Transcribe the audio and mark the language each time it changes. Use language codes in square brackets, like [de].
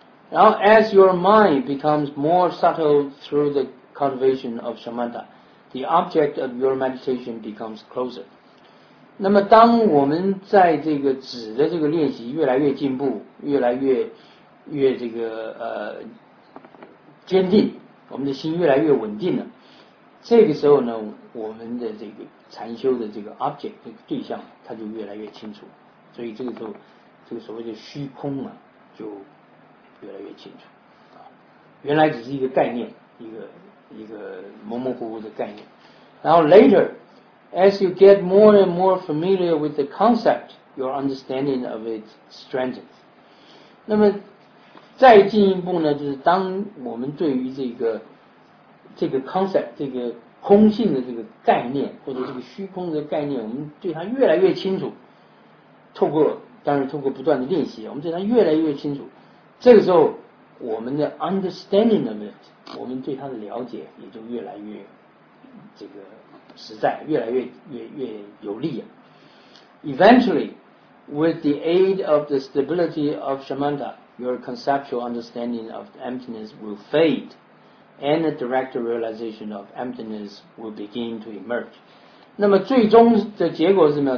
[zh] 然后 [en] as your mind becomes more subtle through the cultivation of samatha， the object of your meditation becomes closer。 [zh] 那么当我们在这个止的这个练习越来越进步，越来越这个坚定，我们的心越来越稳定了，这个时候呢，我们的这个禅修的这个 object， 这个对象它就越来越清楚，所以这个时候这个所谓的虚空啊就越来越清楚啊，原来只是一个概念，一个模模糊糊的概念。然后 [en] later as you get more and more familiar with the concept， your understanding of it strengthens。 [zh] 那么再进一步呢，就是当我们对于这个 concept， 这个空性的这个概念，或者这个虚空的概念，我们对它越来越清楚，透过不断的练习，我们对它越来越清楚，这个时候我们的 [en] understanding of it， [zh] 我们对它的了解也就越来越这个实在，越来越有力。 [en] Eventually with the aid of the stability of samatha， your conceptual understanding of emptiness will fade and the direct realization of emptiness will begin to emerge。 [zh] 那么最终的结果是什么？